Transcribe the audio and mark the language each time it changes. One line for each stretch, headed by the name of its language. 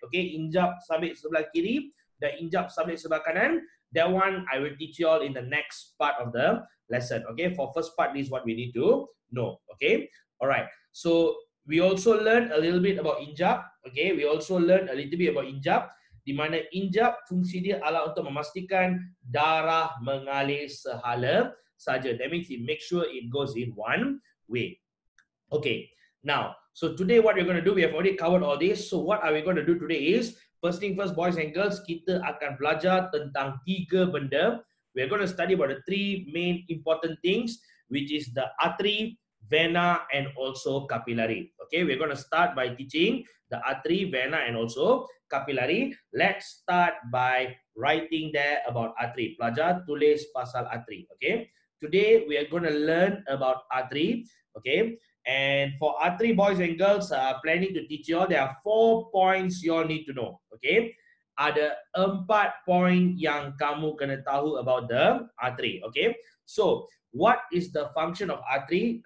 Malay: Okay, injak sabit sebelah kiri, dan injak sabit sebelah kanan.
English: That one I will teach you all in the next part of the lesson. Okay, for first part, this is what we need to know. Okay, all right. So we also learn a little bit about injak. Okay, we also learn a little bit about injak.
Malay: Di mana injak fungsi dia adalah untuk memastikan darah mengalir sehala saja.
English: That means it makes sure it goes in one way. Okay, now, so today what we're going to do, we have already covered all this. So what are we going to do today is, first thing first, boys and girls,
Malay: kita akan belajar tentang tiga benda.
English: We're going to study about the three main important things, which is the artery, vena, and also capillary. Okay, we're going to start by teaching the artery, vena, and also capillary. Let's start by writing there about artery.
Malay: Pelajar tulis pasal artery.
English: Okay, today we are going to learn about artery. Okay, and for artery, boys and girls, planning to teach you all, there are 4 points you all need to know.
Malay: Okay, ada 4 point yang kamu kena tahu
English: about the artery. Okay, so what is the function of artery?